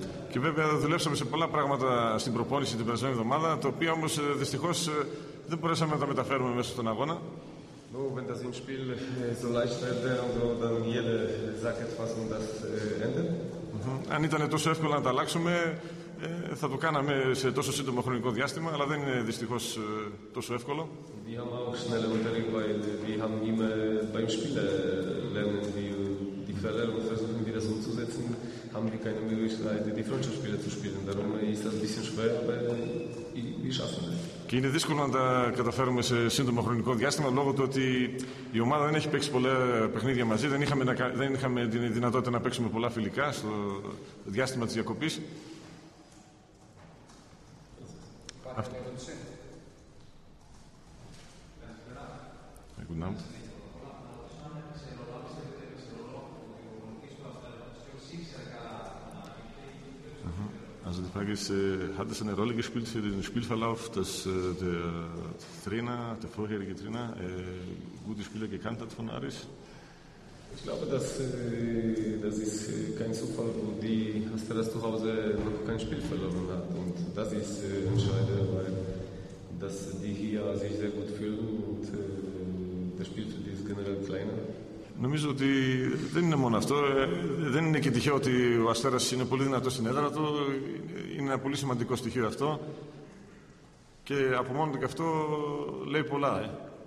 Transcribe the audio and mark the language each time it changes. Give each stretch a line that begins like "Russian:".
Greek: Και βέβαια δουλέψαμε σε πολλά πράγματα στην προπόνηση την περασμένη εβδομάδα, το οποίο όμως δυστυχώς δεν μπορέσαμε να τα μεταφέρουμε μέσα στον αγώνα.
German: Wenn das im Spiel so leicht wäre, dann jeder sagt etwas und das ändert.
Greek: Αν ήταν τόσο εύκολο να τα αλλάξουμε, θα το κάναμε σε τόσο σύντομο χρονικό διάστημα, αλλά δεν είναι δυστυχώς τόσο εύκολο.
German: Wir haben auch schnelle Unterricht, weil wir haben immer beim Spiel lernen, die Fehler und versuchen, wieder so zu setzen, haben wir keine Möglichkeit, die Freundschaftsspiele zu spielen. Darum ist das ein bisschen schwer, aber wir schaffen es.
Greek: Και είναι δύσκολο να τα καταφέρουμε σε σύντομο χρονικό διάστημα λόγω του ότι η ομάδα δεν έχει παίξει πολλά παιχνίδια μαζί. Δεν είχαμε τη δυνατότητα να παίξουμε πολλά φιλικά στο διάστημα της διακοπής.
German: Also die Frage ist, hat es eine Rolle gespielt für den Spielverlauf, dass der vorherige Trainer, gute Spieler gekannt hat von Aris? Ich glaube, das ist kein Zufall, wo die Asteras zu Hause noch kein Spiel verloren hat. Und das ist entscheidend, weil dass die hier sich sehr gut fühlen und der Spielfeld ist generell kleiner.
Greek: Νομίζω ότι δεν είναι μόνο αυτό. Δεν είναι και τυχαίο ότι ο Αστέρας είναι πολύ δυνατός στην έδρα του. Είναι ένα πολύ σημαντικό στοιχείο αυτό. Και από μόνο του και αυτό λέει πολλά.